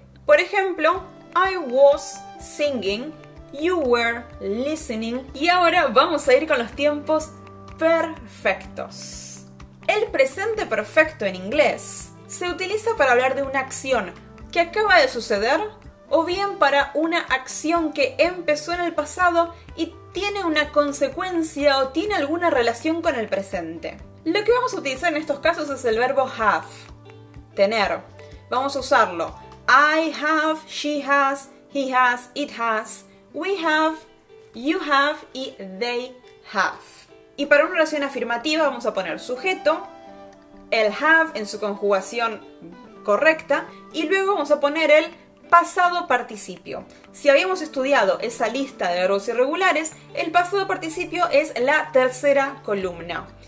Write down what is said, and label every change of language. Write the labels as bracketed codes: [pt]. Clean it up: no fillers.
[es] Por ejemplo, [en] I was singing, you were listening. [es] Y ahora vamos a ir con los tiempos perfectos. El presente perfecto en inglés se utiliza para hablar de una acción que acaba de suceder o bien para una acción que empezó en el pasado y tiene una consecuencia o tiene alguna relación con el presente. Lo que vamos a utilizar en estos casos es el verbo have, tener. Vamos a usarlo. [en] I have, she has, he has, it has. We have, you have y they have. [es] Y para una oración afirmativa vamos a poner sujeto, el have en su conjugación correcta y luego vamos a poner el pasado participio. Si habíamos estudiado esa lista de verbos irregulares, el pasado participio es la tercera columna.